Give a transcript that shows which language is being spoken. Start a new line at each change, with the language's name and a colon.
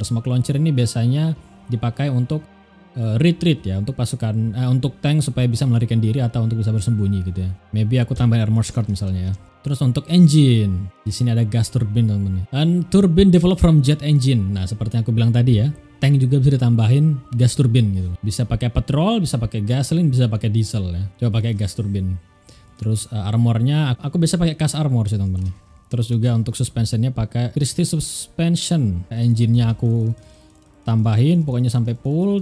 Indonesian: Smoke launcher ini biasanya dipakai untuk retreat ya, untuk pasukan, untuk tank supaya bisa melarikan diri atau untuk bisa bersembunyi gitu ya. Maybe aku tambahin armor skirt misalnya ya. Terus untuk engine, di sini ada gas turbine teman-teman.
English: And turbine developed from jet engine.
Indonesian: Nah, seperti yang aku bilang tadi ya, tank juga bisa ditambahin gas turbine gitu. Bisa pakai petrol, bisa pakai gasoline, bisa pakai diesel ya. Coba pakai gas turbine. Terus armornya, aku biasa pakai cast armor sih teman-teman. Terus juga untuk suspensionnya pakai Christie suspension. Engine-nya aku tambahin pokoknya sampai full.